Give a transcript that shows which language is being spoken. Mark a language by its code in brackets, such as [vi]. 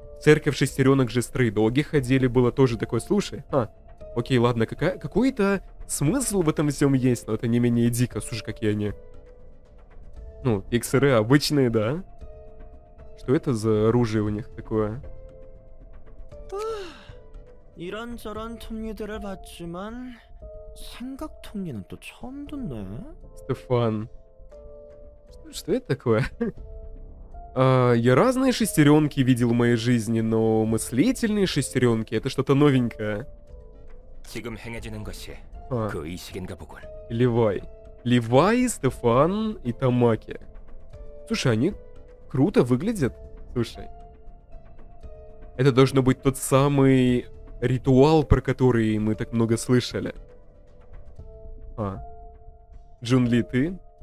[ru] Церковь шестеренок же стрейдоги ходили, было тоже такое, слушай, а, окей, ладно, какой-то смысл в этом всем есть, но это не менее дико, слушай, какие они. Ну, XRE обычные, да? Что это за оружие у них такое? [ko] 이런저런 톱니들을 봤지만 생각 톱니는 또 처음 듣네. [ru] 스테판, что это такое? Я разные шестеренки видел в моей жизни, но мыслительные шестеренки — это что-то новенькое. [ko] 지금 행해지는 것이 그 의식인가 보군. [ru] Левай, Левай, Стефан и Тамаки. Слушай, они круто выглядят. Слушай, это должно быть тот самый ритуал, про который мы так много слышали. А. Джун Ли, ты?